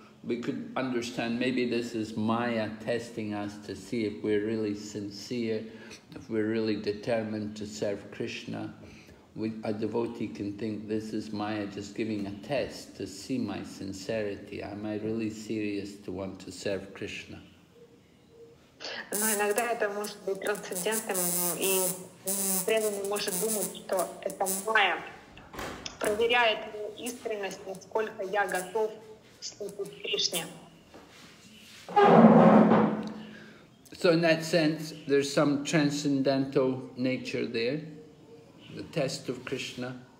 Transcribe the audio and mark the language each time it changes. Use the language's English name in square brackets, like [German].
[English] We could understand maybe this is Maya testing us to see if we're really sincere, if we're really determined to serve Krishna. A devotee can think, this is Maya just giving a test to see my sincerity. Am I really serious to want to serve Krishna? [Russian] Но иногда это может быть трансцендентным, и преданный может думать, что это Maya проверяет искренность, насколько я готов служить Кришне. [English] So in that sense, there's some transcendental nature there. The test of Krishna.